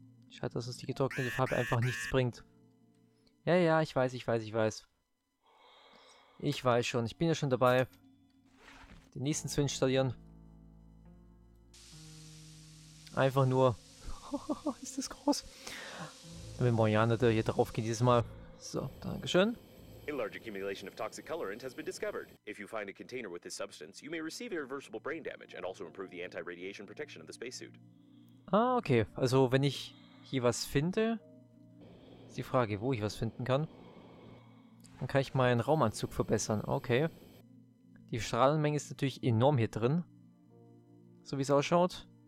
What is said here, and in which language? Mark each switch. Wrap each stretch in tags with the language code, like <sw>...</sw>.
<de>Schade, dass uns die getrocknete Farbe einfach nichts bringt. Ja, ich weiß. Ich weiß schon, ich bin ja schon dabei, den nächsten zu installieren. Einfach nur... ist das groß. Wenn Moriana da hier drauf geht dieses Mal. So, dankeschön.</de> <en>A large accumulation of toxic colorant has been discovered. If you find a container with this substance, you may receive irreversible brain damage and also improve the anti-radiation protection of the spacesuit.</en> <de>Ah, okay. Also, wenn ich hier was finde, ist die Frage, wo ich was finden kann, dann kann ich meinen Raumanzug verbessern. Okay. Die Strahlenmenge ist natürlich enorm hier drin. So wie es ausschaut.</de>